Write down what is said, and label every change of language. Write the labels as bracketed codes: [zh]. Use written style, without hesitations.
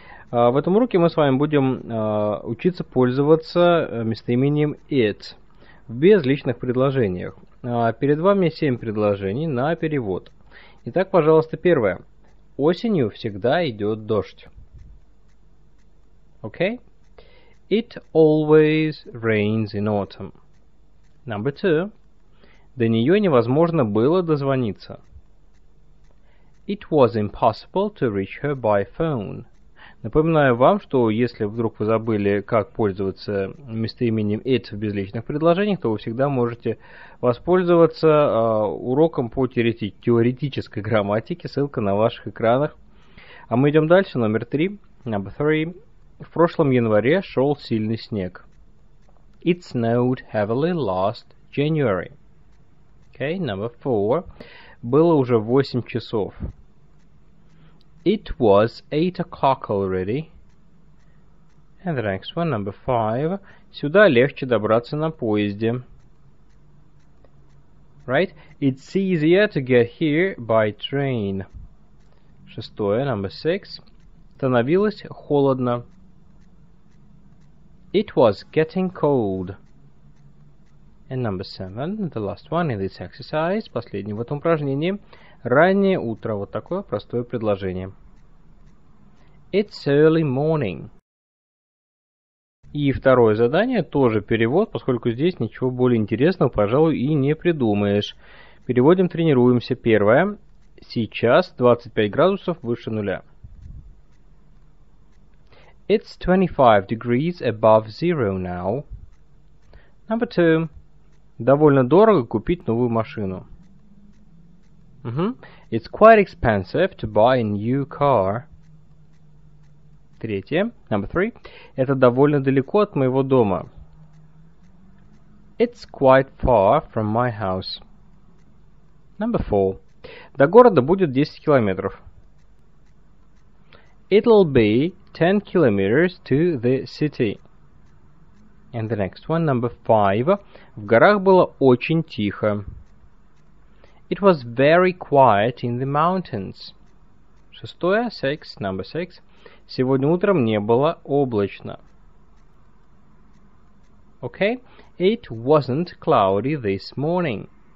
[ru] В этом уроке мы с вами будем учиться пользоваться местоимением it в безличных предложениях. Перед вами 7 предложений на перевод. Итак, пожалуйста, первое. Осенью всегда идет дождь. [en] Okay? It always rains in autumn. Number two. [ru] До нее невозможно было дозвониться. [en] It was impossible to reach her by phone. [ru] Напоминаю вам, что если вдруг вы забыли, как пользоваться местоимением it в безличных предложениях, то вы всегда можете воспользоваться уроком по теоретической грамматике. Ссылка на ваших экранах. А мы идем дальше. Номер три. [en] Number three. [ru] В прошлом январе шел сильный снег. [en] It snowed heavily last January. Okay, number four. [ru] Было уже 8 часов. [en] It was 8 o'clock already. And the next one, number five. [ru] Сюда легче добраться на поезде. [en] Right? It's easier to get here by train. [ru] Шестое, [en] number six. [ru] Становилось холодно. [en] It was getting cold. And number seven, the last one in this exercise, [ru] последнее в этом упражнении. Раннее утро. Вот такое простое предложение. [en] It's early morning. [ru] И второе задание, тоже перевод, поскольку здесь ничего более интересного, пожалуй, и не придумаешь. Переводим, тренируемся. Первое. Сейчас 25 градусов выше нуля. [en] It's 25 degrees above zero now. Number two. [ru] Довольно дорого купить новую машину. [en] It's quite expensive to buy a new car. [ru] Третье. [en] Number three. [ru] Это довольно далеко от моего дома. [en] It's quite far from my house. Number four. [ru] До города будет 10 километров. [en] It'll be 10 kilometers to the city. And the next one, number five. [ru] В горах было очень тихо. [en] It was very quiet in the mountains. [ru] Шестое, [en] six, number six. [ru] Сегодня утром не было облачно. [en] Okay. It wasn't cloudy this morning.